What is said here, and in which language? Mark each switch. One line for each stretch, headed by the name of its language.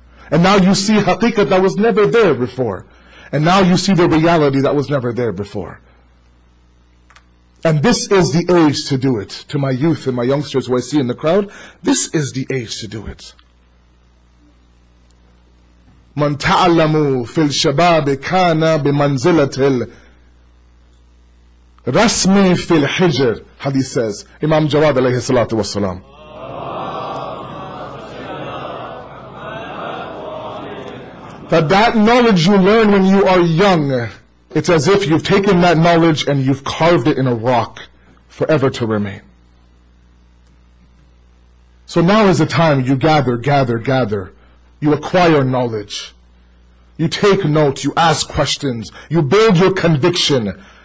English: And now you see haqiqah that was never there before. And now you see the reality that was never there before. And this is the age to do it. To my youth and my youngsters who I see in the crowd, this is the age to do it.
Arabic: مَنْ تَعْلَمُ فِي الْشَبَابِ كَانَ بِمَنْزِلَةِ الْرَسْمِ فِي الْحِجْرِ
English: Hadith says,
Arabic: Imam Jawad alayhi salatu wasalam.
English: That knowledge you learn when you are young, it's as if you've taken that knowledge and you've carved it in a rock forever to remain. So now is the time you gather. You acquire knowledge. You take notes, you ask questions, you build your conviction.